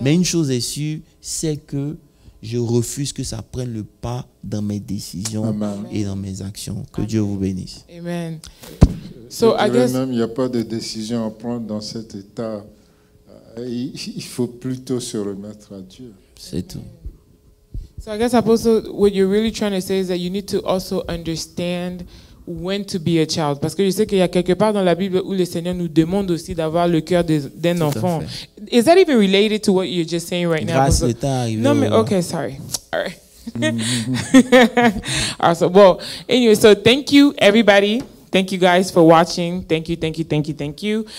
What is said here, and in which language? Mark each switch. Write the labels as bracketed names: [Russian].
[French] Mais une chose est sûre, c'est que je refuse que ça prenne le pas dans mes décisions Amen. Et dans mes actions. Que Amen. Dieu vous bénisse. Amen. So, je dirais même, il n'y a pas de décision à prendre dans cet état. Il faut plutôt se remettre à Dieu. C'est Amen. Tout. [English] So I guess, Apostle, what you're really trying to say is that you need to also understand when to be a child. [French] Parce que je sais qu'il y a quelque part dans la Bible où le Seigneur nous demande aussi d'avoir le cœur d'un enfant. [English] Is that even related to what you're just saying right Grâce Grâce l'état arrivé. [French] Non, mais [English] okay, sorry. All right. Also, well, anyway, so thank you, everybody. Thank you guys for watching. Thank you, thank you, thank you, thank you.